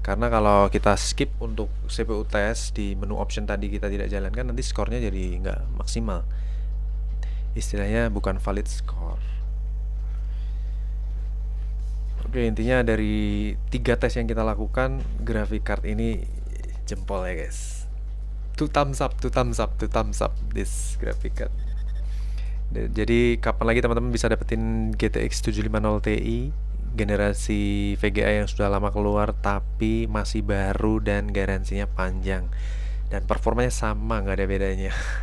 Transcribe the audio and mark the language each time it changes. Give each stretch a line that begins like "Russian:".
Indonesian: Karena kalau kita skip untuk CPU test di menu option tadi kita tidak jalankan, nanti skornya jadi nggak maksimal. Istilahnya bukan valid score. Oke, intinya dari 3 tes yang kita lakukan, graphic card ini jempol ya guys.
English: Two thumbs up, two thumbs up, two thumbs up this graphic card.
Indonesian: Jadi kapan lagi teman-teman bisa dapetin GTX 750 Ti generasi VGA yang sudah lama keluar tapi masih baru dan garansinya panjang dan performanya sama, nggak ada bedanya.